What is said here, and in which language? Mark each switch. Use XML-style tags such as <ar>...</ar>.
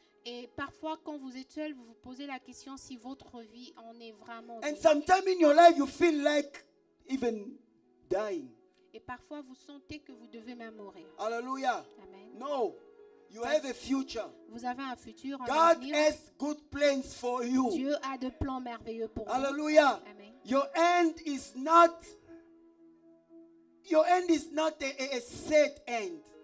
<fr>Et parfois, quand vous êtes seul, vous vous posez la question si votre vie en est vraiment.</fr> <en>And sometimes in your life, you feel like even dying.</en> <fr>Et parfois, vous sentez que vous devez même mourir. Alléluia. Amen.</fr> <en>No. You have a future.</en> <fr>Vous avez un futur.</fr> <en>God has good plans for you.</en> <fr>Dieu a de plans merveilleux pour</fr> <en>Alleluia.</en> <fr>Vous. Alléluia. Amen.</fr> <en>Your end is not a set end.</en>